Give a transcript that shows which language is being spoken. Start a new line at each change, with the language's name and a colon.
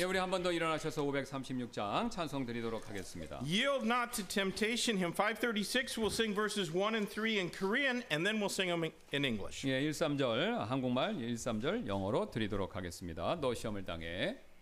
Korean: 예, 우리 한 번 더 일어나셔서 536장 찬송 드리도록 하겠습니다.
English: Yield not to temptation. Hymn 536. We'll sing verses 1 and 3 in Korean, and then we'll sing them in English.
Korean: 예, 13절 한국말, 13절 영어로 드리도록 하겠습니다. 너 시험을 당해.